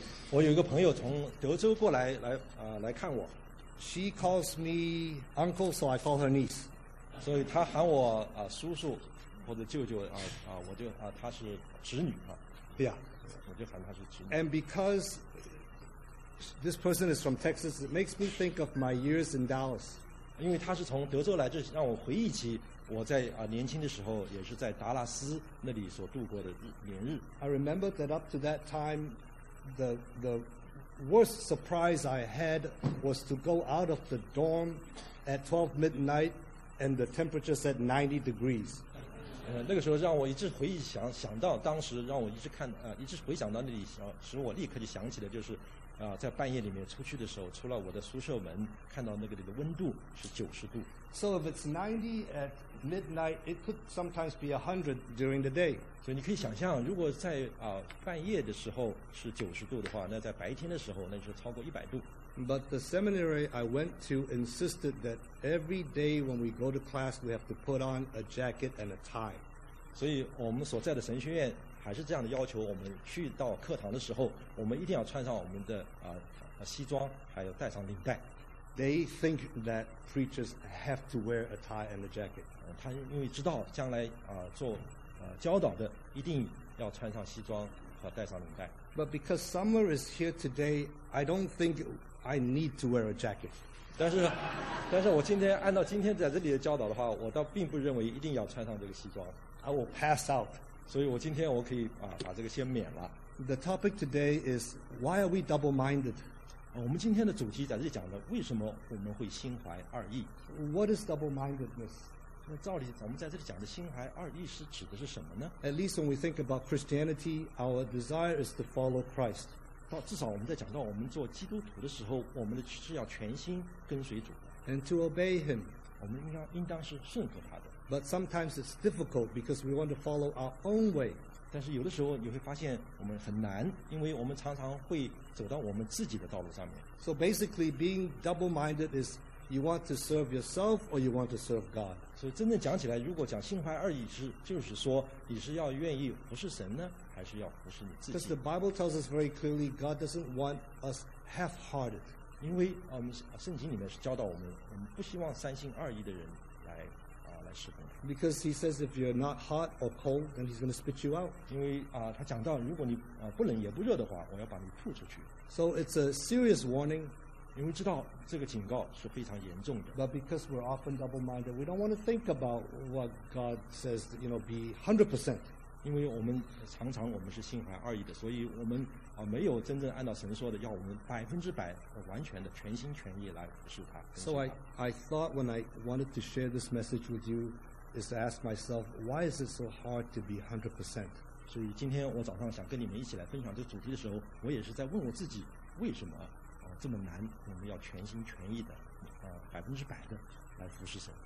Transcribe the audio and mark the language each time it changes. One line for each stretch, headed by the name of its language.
Chinese: 我有一个朋友从德州过来，来啊、来看我。
English: She calls me uncle, so I call her niece.
Chinese: 所以她喊我啊、叔叔或者舅舅啊、我就啊、她是侄女啊。对呀，我就喊她是侄女。
English: And because this person is from Texas, it makes me think of my years in Dallas.
Chinese: 因为她是从德州来，这让我回忆起。我在啊年轻的时候也是在达拉斯那里所度过的年日。
English: I remember that up to that time, the worst surprise I had was to go out of the dorm at 12 midnight and the temperature said 90 degrees.
Chinese: 那个时候让我一直回忆想到当时让我一直看啊、一直回想到那里使我立刻就想起的就是啊、在半夜里面出去的时候出了我的宿舍门看到那个里的温度是90度。
English: So if it's 90 at midnight, it could sometimes be 100 during the day.
Chinese: 所以你可以想象，如果在啊、半夜的时候是90度的话，那在白天的时候那就是超过100度。
English: But the seminary I went to insisted that every day when we go to class, we have to put on a jacket and a tie.
Chinese: 所以我们所在的神学院还是这样的要求，我们去到课堂的时候，我们一定要穿上我们的啊、西装，还有带上领带。
English: They think that preachers have to wear a tie and a jacket.
Chinese: 他因为知道将来啊、做啊、教导的一定要穿上西装和戴上领带。
English: But because summer is here today, I don't think I need to wear a jacket.
Chinese: 但是我今天按照今天在这里的教导的话，我倒并不认为一定要穿上这个西装。
English: I will pass out.
Chinese: 所以我今天我可以啊、把这个先免了。
English: The topic today is why are we double-minded?
Chinese: 我们今天的主题在这里讲的，为什么我们会心怀二意
English: ？What is double-mindedness？
Chinese: 那照理，我们在这里讲的心怀二意是指的是什么呢
English: ？At least when we think about Christianity, our desire is to follow Christ.
Chinese: 到至少我们在讲到我们做基督徒的时候，我们的是要全心跟随主。
English: And to obey Him，
Chinese: 我们应当是顺服他的。
English: But sometimes it's difficult because we want to follow our own way.
Chinese: 但是有的时候你会发现我们很难，因为我们常常会走到我们自己的道路上面。
English: So basically, being double-minded is you want to serve yourself or you want to serve God.
Chinese: 所以真正讲起来，如果讲心怀二意是，就是说你是要愿意服侍神呢，还是要服侍你自己？
English: Because the Bible tells us very clearly, God doesn't want us half-hearted.
Chinese: 因为我们、圣经里面是教导我们不希望三心二意的人来。
English: Because he says if you're not hot or cold, then he's going to spit you out.
Chinese: 因为啊、他讲到如果你啊、不冷也不热的话，我要把你吐出去。
English: So it's a serious warning.
Chinese: 因为知道这个警告是非常严重的。
English: But because we're often double-minded, we don't want to think about what God says. You know, be 100%.
Chinese: 因为我们常常我们是心怀二意的，所以我们啊、没有真正按照神说的，要我们百分之百完全的全心全意来服侍他。
English: So I thought when I wanted to share this message with you is to ask myself, why is it so hard to be 100%?
Chinese: 所以今天我早上想跟你们一起来分享这主题的时候，我也是在问我自己，为什么、这么难，我们要全心全意的、百分之百的来服侍神。